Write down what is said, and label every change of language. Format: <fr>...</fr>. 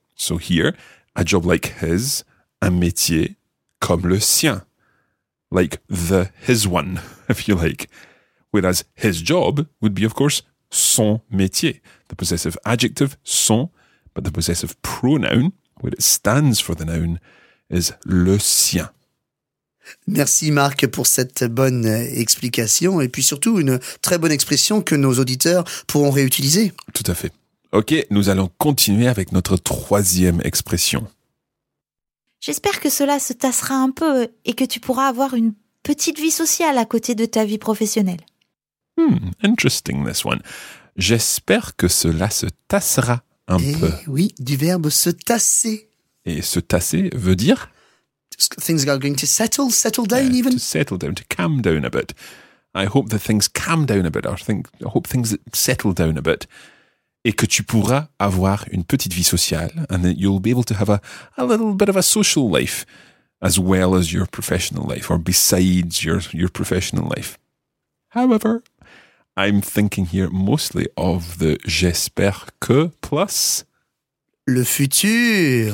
<en>So here, a job like his,</en> <fr>un métier comme le sien,</fr> <en>like the his one, if you like. Whereas his job would be, of course,</en> <fr>son métier,</fr> <en>the possessive adjective son, but the possessive pronoun, where it stands for the noun, is le sien.</en> <fr>Merci Marc pour cette bonne explication et puis surtout une très bonne expression que nos auditeurs pourront réutiliser. Tout à fait. Ok, nous allons continuer avec notre troisième expression. J'espère que cela se tassera un peu et que tu pourras avoir une petite vie sociale à côté de ta vie professionnelle.</fr> <en>Interesting, this one.</en> <fr>J'espère que cela se tassera un peu. Oui, du verbe se tasser. Et se tasser veut dire?</fr> <en>Things are going to settle down even. To settle down, to calm down a bit. I hope that things calm down a bit. I hope things settle down a bit.</en> <fr>Et que tu pourras avoir une petite vie sociale.</fr> <en>And that you'll be able to have a little bit of a social life as well as your professional life or besides your professional life. However, I'm thinking here mostly of the</en> <fr>j'espère que</fr> <en>plus.</en> <fr>Le futur.</fr>